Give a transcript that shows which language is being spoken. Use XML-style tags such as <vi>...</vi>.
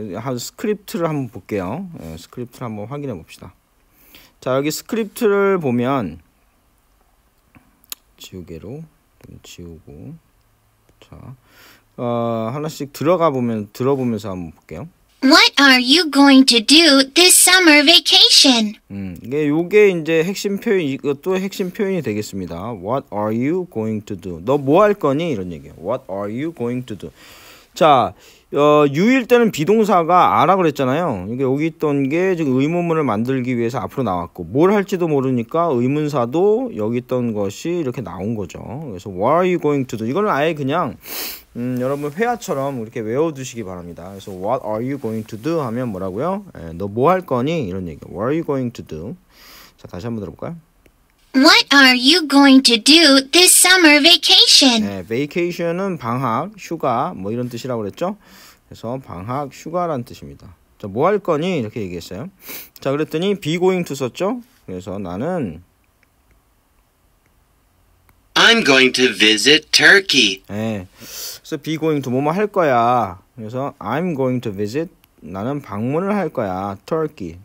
<ko>한 스크립트를 한번 볼게요. 예, 스크립트를 한번 확인해 봅시다. 자, 여기 스크립트를 보면 지우개로 좀 지우고 자, 하나씩 들어보면서 한번 볼게요.</ko> <en>What are you going to do this summer vacation?</en> <ko>이게 요게 이제 핵심 표현 이것도 핵심 표현이 되겠습니다.</ko> <en>What are you going to do?</en> <ko>너 뭐 할 거니? 이런 얘기예요.</ko> <en>What are you going to do?</en> <ko>자, 유일 때는 비동사가 아라 그랬잖아요. 이게 여기 있던 게 지금 의문문을 만들기 위해서 앞으로 나왔고 뭘 할지도 모르니까 의문사도 여기 있던 것이 이렇게 나온 거죠. 그래서</ko> <en>What are you going to do?</en> <ko>이거는 아예 그냥 여러분 회화처럼 이렇게 외워두시기 바랍니다. 그래서</ko> <en>What are you going to do?</en> <ko>하면 뭐라고요? 너 뭐 할 거니? 이런 얘기.</ko> <en>What are you going to do?</en> <ko>자, 다시 한번 들어볼까요?</ko> <en>What are you going to do this summer vacation?</en> <ko>네, vacation은 방학, 휴가 뭐 이런 뜻이라고 그랬죠? 그래서 방학, 휴가란 뜻입니다. 자, 뭐 할 거니? 이렇게 얘기했어요. 자, 그랬더니 be going to 썼죠? 그래서 나는</ko> <en>I'm going to visit Turkey.</en> <ko>네. 그래서 be going to 뭐뭐 할 거야. 그래서</ko> <en>I'm going to visit</en> <ko>나는 방문을 할 거야. Turkey.</ko>